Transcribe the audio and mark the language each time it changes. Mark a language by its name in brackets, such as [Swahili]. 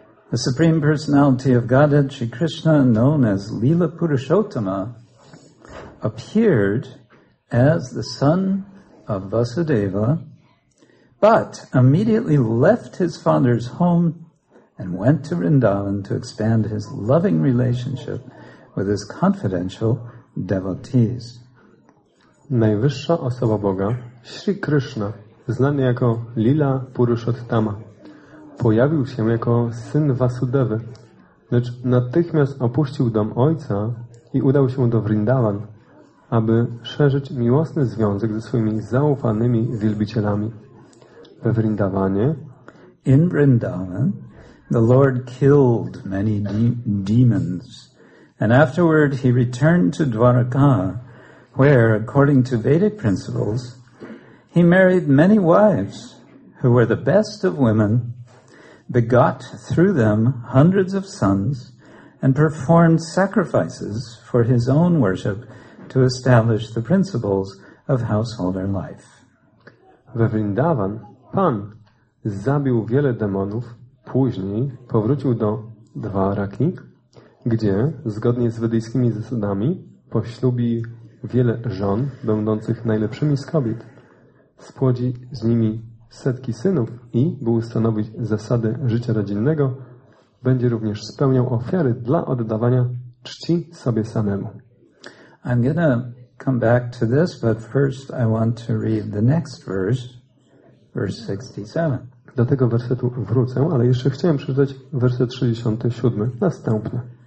[English] The Supreme Personality of Godhead, Sri Krishna, known as Lila Purushottama, appeared as the son of Vasudeva, but immediately left his father's home and went to Vrindavan to expand his loving relationship with his confidential devotees. [Polish] Najwyższa osoba Boga, Śri Krishna, znany jako Lila Purushottama, pojawił się jako syn Vasudevy, lecz natychmiast opuścił dom ojca i udał się do Vrindavan, aby szerzyć miłosny związek ze swoimi zaufanymi wielbicielami. We Vrindavanie, [English] in Vrindavan, the Lord killed many demons. And afterward he returned to Dwaraka, where, according to Vedic principles, he married many wives who were the best of women, begot through them hundreds of sons, and performed sacrifices for his own worship to establish the principles of householder life. [Polish] We Vrindavan, Pan zabił wiele demonów, później powrócił do Dwaraki, gdzie, zgodnie z wedyjskimi zasadami, poślubi wiele żon, będących najlepszymi z kobiet. Spłodzi z nimi setki synów i, by ustanowić zasady życia rodzinnego, będzie również spełniał ofiary dla oddawania czci sobie samemu. [English] I'm going to come back to this, but first I want to read the next verse, verse 67. [Polish] Do tego wersetu wrócę, ale jeszcze chciałem przeczytać werset 67, następny.